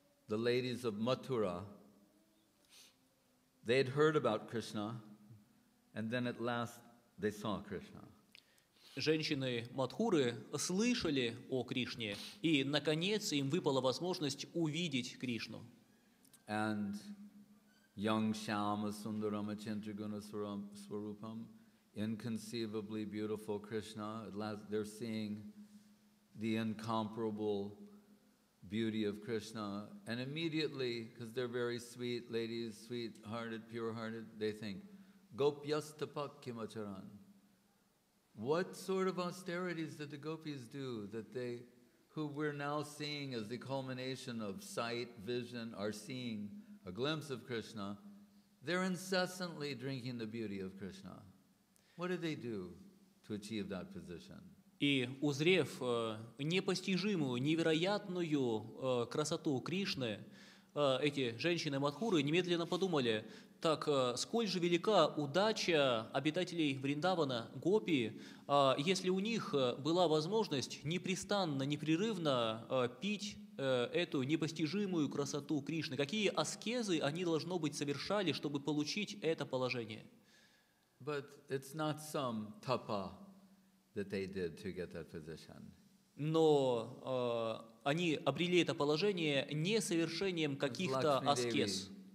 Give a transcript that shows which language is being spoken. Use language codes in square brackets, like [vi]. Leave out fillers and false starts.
[en] the ladies of Mathura, they had heard about Krishna, and then at last they saw Krishna. [ru] Женщины Матхуры слышали о Кришне, и наконец им выпала возможность увидеть Кришну. [en] And young Shyama Sundaram Chintaguna Swarupam, inconceivably beautiful Krishna, at last they're seeing the incomparable beauty of Krishna, and immediately, because they're very sweet ladies, sweet-hearted, pure-hearted, they think, [sa] Gopyastapak Kimacharan. [en] What sort of austerities did the gopis do that they, who we're now seeing as the culmination of sight, vision, are seeing a glimpse of Krishna, they're incessantly drinking the beauty of Krishna. What did they do to achieve that position? [ru] И узрев непостижимую, невероятную красоту Кришны, эти женщины-мадхуры немедленно подумали, так сколь же велика удача обитателей Вриндавана, гопи, если у них была возможность непрестанно, непрерывно пить эту непостижимую красоту Кришны. Какие аскезы они, должно быть, совершали, чтобы получить это положение? [en] But it's not some tapa that they did to get that position. [ru] Но они обрели это положение не совершением каких-то аскез.